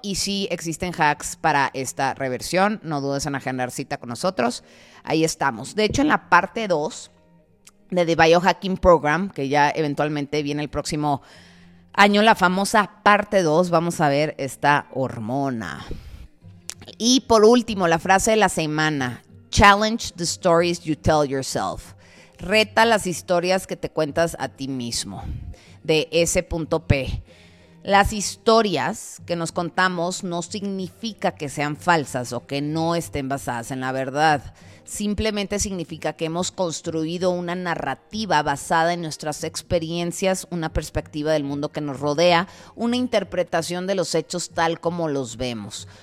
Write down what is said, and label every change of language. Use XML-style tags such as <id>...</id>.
<es>Y sí existen hacks para esta reversión, no dudes en agendar cita con nosotros. Ahí estamos. De hecho, en la parte 2 de The Biohacking Program, que ya eventualmente viene el próximo año, la famosa parte 2, vamos a ver esta hormona. Y por último, la frase de la semana.</es> <en>Challenge the stories you tell yourself.</en> <es>Reta las historias que te cuentas a ti mismo, de ese punto P. Las historias que nos contamos no significa que sean falsas o que no estén basadas en la verdad. Simplemente significa que hemos construido una narrativa basada en nuestras experiencias, una perspectiva del mundo que nos rodea, una interpretación de los hechos tal como los vemos.</es>